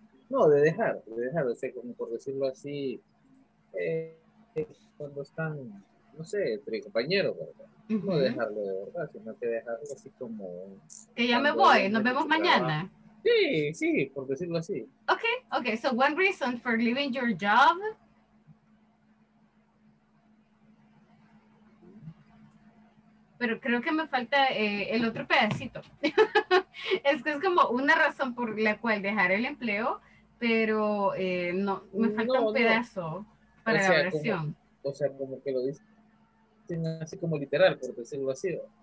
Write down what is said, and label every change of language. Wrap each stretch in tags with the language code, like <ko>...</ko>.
<es>No, de dejar, o sea, como por decirlo así. Cuando están, no sé, entre compañeros, ¿verdad? Uh-huh. No dejarlo de verdad, sino que dejarlo así como... Que ya me voy, nos vemos mañana. Sí, sí, por decirlo así.</es> <en>Okay, okay, so one reason for leaving your job.</en> <es>Pero creo que me falta el otro pedacito. Es que es como una razón por la cual dejar el empleo, pero no, me falta un pedazo. No. Para o sea, la oración. Como, o sea, como que lo dicen así como literal, por decirlo así.</es>